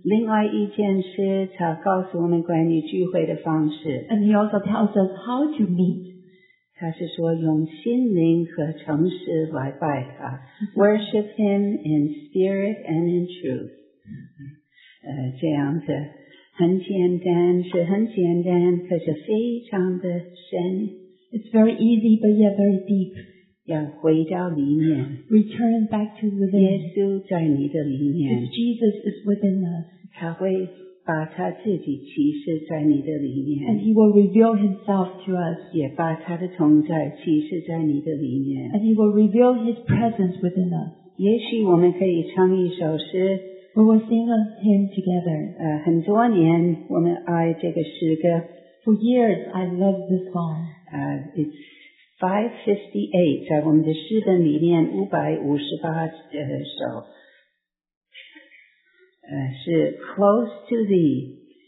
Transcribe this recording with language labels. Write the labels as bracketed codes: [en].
[zh] 另外一件事他告诉我们关于聚会的方式。 [en] And he also tells us how to meet. [zh] 他是说用心灵和诚实来拜他。 [en] Worship him in spirit and in truth. [zh] 这样子很简单是很简单可是非常的深。 [en] It's very easy, but yet very deep. [zh] 要回到里面。 [en] Return back to within. [zh] 耶稣在你的里面。 [en] If Jesus is within us. [zh] 他会把他自己启示在你的里面。 [en] And he will reveal himself to us. [zh] 也把他的同在启示在你的里面。 [en] And he will reveal his presence within us. [zh] 也许我们可以唱一首诗。 [en] We will sing a hymn together. [zh] 很多年我们爱这个诗歌。 [en] For years, I love this song. It's 558, [zh] 在我们的诗的里面558首是 close to thee.